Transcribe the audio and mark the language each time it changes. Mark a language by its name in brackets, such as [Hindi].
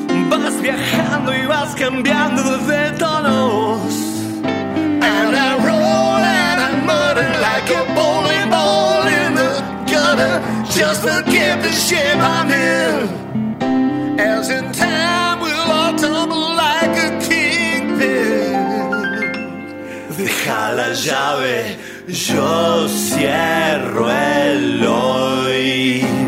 [Spanish] Vas viajando y vas cambiando de tonos. [English] And I roll and I mutter like a bowling ball in the gutter. Just forgive the shape I'm in. As in time we'll all tumble like a kingpin. [Spanish] Deja la llave, yo cierro el hoy.